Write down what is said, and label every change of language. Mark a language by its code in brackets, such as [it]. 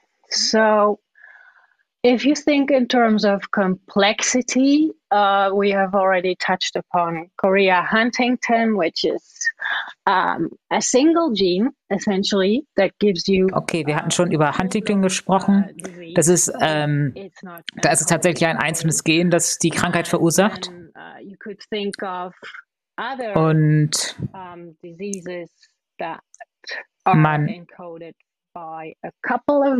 [en] So if you think in terms of complexity, we have already touched upon chorea huntington, which is a single gene essentially that gives you. [de] Okay, wir hatten schon über Huntington gesprochen. Das ist da ist es tatsächlich ein einzelnes Gen, das die Krankheit verursacht. [en] You could think of other diseases that are encoded by a couple of.